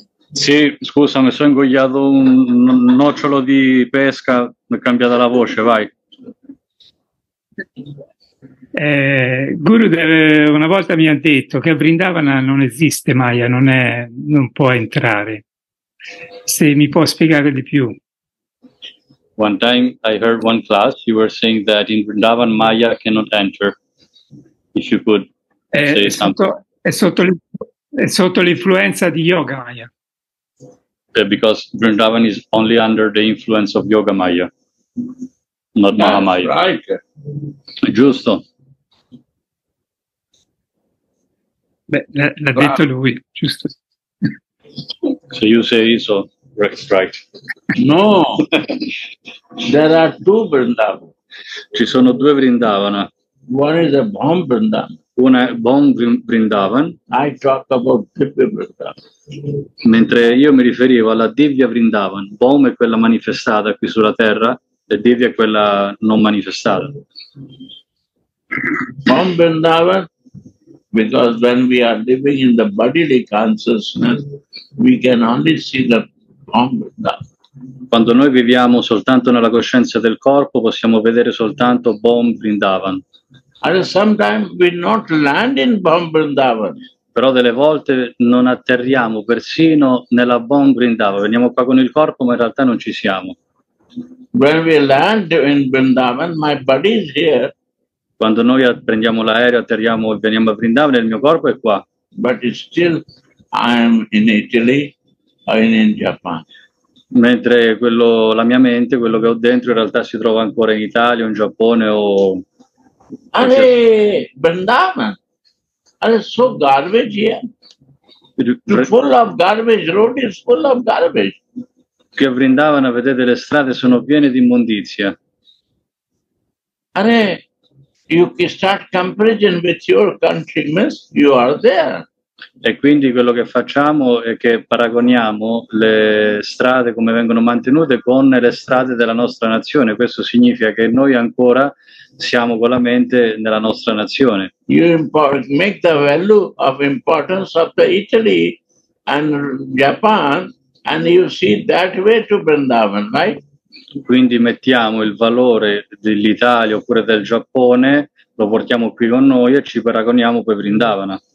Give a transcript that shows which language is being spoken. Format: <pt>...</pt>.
<it>Sì, scusa, mi sono ingoiato un nocciolo di pesca, mi è cambiata la voce, vai. Gurudev una volta mi ha detto che Vrindavana non esiste, Maya, non può entrare. Se mi può spiegare di più.</it> <en>One time I heard one class, you were saying that in Vrindavan Maya cannot enter. If you could say something.</en> <it>È sotto l'influenza di Yoga Maya.</it> <en>Because Vrindavan is only under the influence of Yoga Maya, not Mahamaya. Right.</en> <it>Giusto. Beh, l'ha detto lui, giusto.</it> <en>So you say so, right. No, there are two Vrindavan.</en> <it>Ci sono due Vrindavana.</it> <en>One is a bomb Vrindavan.</en> <it>Una è bomb Vrindavan.</it> <en>I talk about Divya Vrindavan.</en> <it>Mentre io mi riferivo alla Divya Vrindavan. Bomb è quella manifestata qui sulla Terra e Divya è quella non manifestata. Bomb Vrindavan.</it> <en>Because when we are living in the bodily consciousness, we can only see the bomb.</en> <it>Quando noi viviamo soltanto nella coscienza del corpo, possiamo vedere soltanto bomb Vrindavan.</it> <en>And sometimes we not land in bomb Vrindavan.</en> <it>Però delle volte non atterriamo persino nella bomb Vrindavan. Veniamo qua con il corpo, ma in realtà non ci siamo.</it> <en>When we land in Vrindavan, my body is here.</en> <it>Quando noi prendiamo l'aereo, atterriamo e veniamo a Vrindavan, il mio corpo è qua.</it> <en>But still I'm in Italy or in Japan.</en> <it>Mentre quello, la mia mente, quello che ho dentro, in realtà si trova ancora in Italia, in Giappone o...</it> <en>Ale, Vrindavan! Ale, so garbage here. You're full of garbage, road is full of garbage.</en> <it>Qui a Vrindavan, vedete, le strade sono piene di immondizia. Ale...</it> <en>You can start comparison with your country, miss. You are there.</en> <it>E quindi quello che facciamo è che paragoniamo le strade come vengono mantenute con le strade della nostra nazione. Questo significa che noi ancora siamo con la mente nella nostra nazione.</it> <en>You import, make the value of importance of the Italy and Japan, and you see that way to Vrindavan, right?</en> <it>Quindi mettiamo il valore dell'Italia oppure del Giappone, lo portiamo qui con noi e ci paragoniamo poi Vrindavana.</it>